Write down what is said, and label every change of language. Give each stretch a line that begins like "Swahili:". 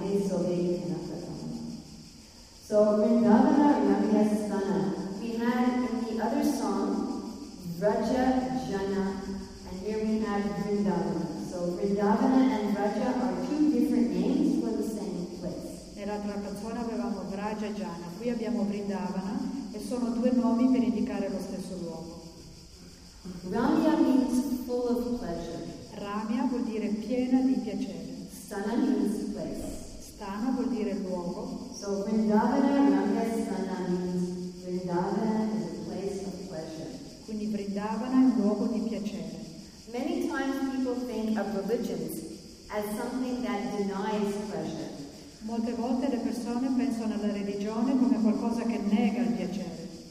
English: So Vrindavana Ramya Sthana, we had in the other song Vraja Jana, and here we have Vrindavana. So Vrindavana and Vraja are two different names for the same place.
Italian: Nell'altra canzone avevamo Vraja Jana, qui abbiamo Vrindavana, e sono due nomi per indicare lo stesso luogo.
English: Ramya means full of pleasure.
Italian: Ramya vuol dire piena di piacere.
English: Sthana means place.
Italian: Sthana vuol dire luogo.
English: So Vrindavana Ramya Sthana means Vrindavana is a place of pleasure.
Italian: Quindi Vrindavana è un luogo di piacere.
English: Many times people think of religions as something that denies pleasure.
Italian: Molte volte le persone pensano alla religione come qualcosa che nega il piacere.